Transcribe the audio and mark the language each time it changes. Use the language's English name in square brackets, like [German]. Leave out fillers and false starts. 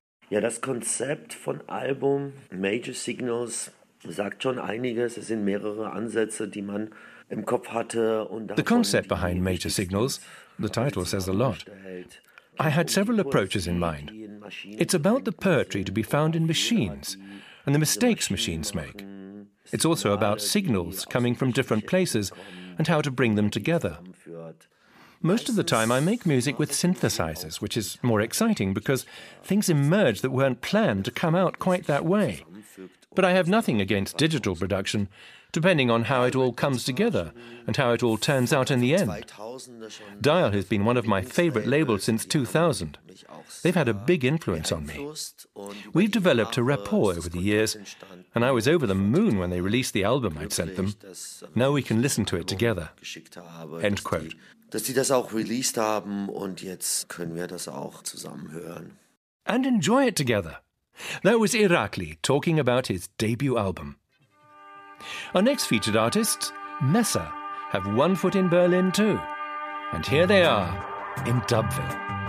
[German] ja, das Konzept von Album Major Signals sagt schon einiges. Es sind mehrere Ansätze, die man im Kopf hatte. [English] The concept behind Major Signals, the title says a lot. I had several approaches in mind. It's about the poetry to be found in machines and the mistakes machines make. It's also about signals coming from different places and how to bring them together. Most of the time I make music with synthesizers, which is more exciting because things emerge that weren't planned to come out quite that way. But I have nothing against digital production, depending on how it all comes together and how it all turns out in the end. Dial has been one of my favorite labels since 2000. They've had a big influence on me. We've developed a rapport over the years, and I was over the moon when they released the album I'd sent them. Now we can listen to it together. End quote. [German] Dass sie das auch released haben und jetzt können wir das auch zusammen hören. [English] And enjoy it together. That was Irakli talking about his debut album. Our next featured artists, Messa, have one foot in Berlin too. And here they are in Dubville. We'll be right back.